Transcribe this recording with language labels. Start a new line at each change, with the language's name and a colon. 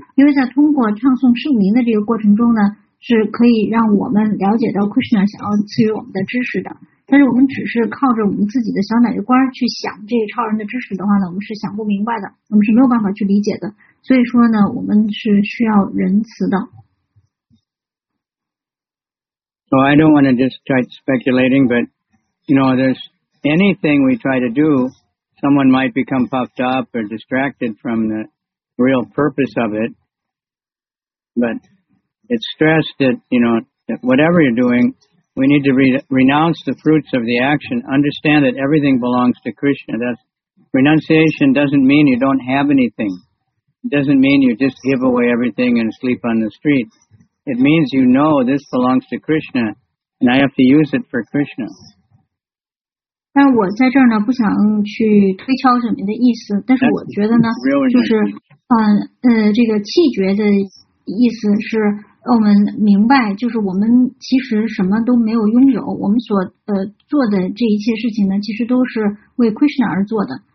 Chinese: 因为在通过唱诵圣名的这个过程中呢，是可以让我们了解到 Krishna 想要赐予我们的知识的。但是我们只是靠着我们自己的小奶油罐去想这超人的知识的话呢，我们是想不明白的，我们是没有办法去理解的。所以说呢，我们是需要仁慈的。
English: So I don't want to just start speculating, but you know, there's anything we try to do, someone might become puffed up or distracted from the real purpose of it. But it's stressed that, you know, that whatever you're doing,We need to renounce the fruits of the action. Understand that everything belongs to Krishna. That's, renunciation doesn't mean you don't have anything. It doesn't mean you just give away everything and sleep on the street. It means you know this belongs to Krishna, and I have to use it for Krishna.
Chinese: 但我在这儿呢，不想去推敲什么的意思。但是我觉得呢，就是这个气觉的意思是我们明白，就是我们其实什么都没有拥有，我们所做的这一切事情呢，其实都是为 Krishna 而做的。